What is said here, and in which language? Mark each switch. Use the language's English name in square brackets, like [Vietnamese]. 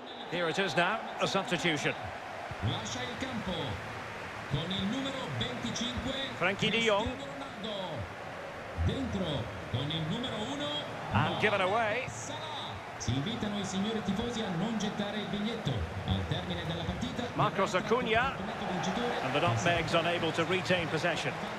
[English] Here it is now, a substitution. [Italian] Lascia il campo con il numero 25, Frankie de Jong. Dentro con il numero 1, [English] and given away. [Italian] Si invitano I signori tifosi a non gettare il biglietto al termine della partita. [English] Marcos Acuña, and the Dutch unable to retain possession.